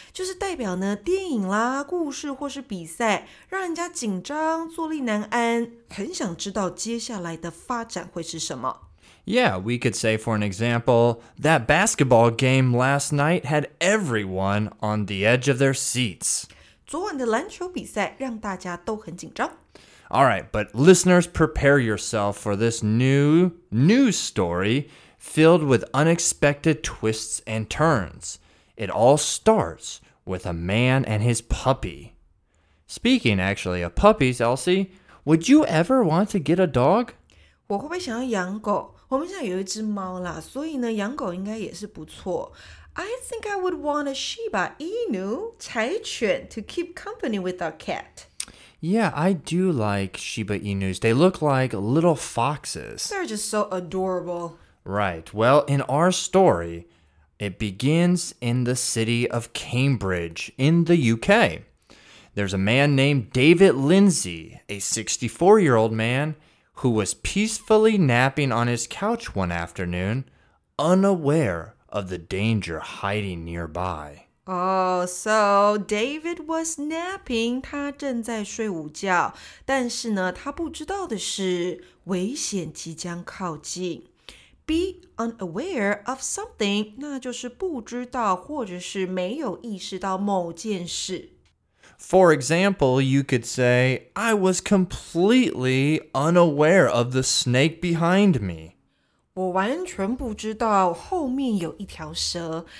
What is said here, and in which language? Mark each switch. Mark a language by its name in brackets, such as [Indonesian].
[Chinese] 就是代表呢，电影啦、故事或是比赛，让人家紧张、坐立难安，很想知道接下来的发展会是什么。 [English] Yeah, we could say, for an example, that basketball game last night had everyone on the edge of their seats. [Chinese] 昨晚的篮球比赛让大家都很紧张。 [English] All right, but listeners, prepare yourself for this news story filled with unexpected twists and turns. It all starts with a man and his puppy. Speaking, actually, of puppies, Elsie, would you ever want to get a dog? [Chinese] 我会不会想要养狗？我们现在有一只猫啦，所以呢，养狗应该也是不错。 [English] I think I would want a Shiba Inu, 柴犬, to keep company with our cat. Yeah, I do like Shiba Inus. They look like little foxes. They're just so adorable. Right. Well, in our story, it begins in the city of Cambridge in the UK. There's a man named David Lindsay, a 64-year-old man,who was peacefully napping on his couch one afternoon, unaware of the danger hiding nearby. Oh, so David was napping. [Chinese] 他正在睡午觉，但是呢，他不知道的是危险即将靠近。 Be unaware of something, 那就是不知道或者是没有意识到某件事。 [English] For example, you could say, I was completely unaware of the snake behind me. [Chinese] 我完全不知道后面有一条蛇。